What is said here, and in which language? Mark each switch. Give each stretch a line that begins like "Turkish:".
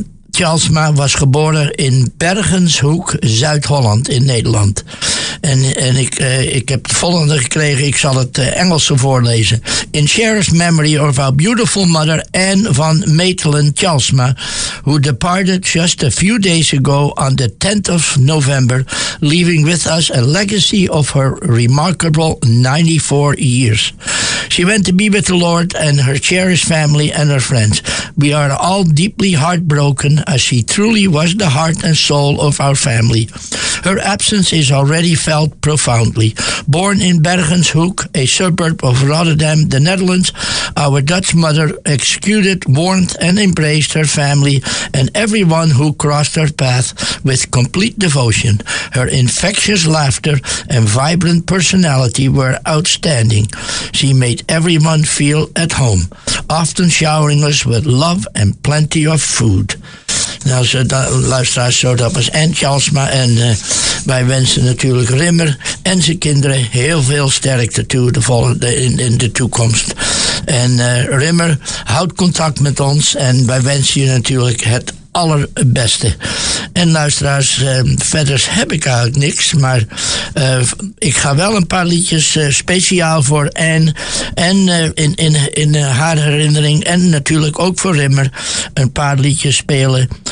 Dutch: Tjalsma was geboren in Bergenshoek, Zuid-Holland in Nederland. En ik heb het volgende gekregen, ik zal het Engels voorlezen.
English: In cherished memory of our beautiful mother Anne van Maitland Tjalsma, who departed just a few days ago on the 10th of November, leaving with us a legacy of her remarkable 94 years. She went to be with the Lord and her cherished family and her friends. We are all deeply heartbroken as she truly was the heart and soul of our family. Her absence is already felt profoundly. Born in Bergenshoek, a suburb of Rotterdam, the Netherlands, our Dutch mother exuded warmth and embraced her family and everyone who crossed her path with complete devotion. Her infectious laughter and vibrant personality were outstanding. She made everyone feel at home, often showering us with love and plenty of food.
Dutch: Nou, luisteraars, zo, dat was Anne Tjalsma. En wij wensen natuurlijk Rimmer en zijn kinderen heel veel sterkte toe in de toekomst. En Rimmer, houd contact met ons en wij wensen je natuurlijk het allerbeste. En luisteraars, verder heb ik eigenlijk niks, maar ik ga wel een paar liedjes speciaal voor Anne en in haar herinnering en natuurlijk ook voor Rimmer een paar liedjes spelen.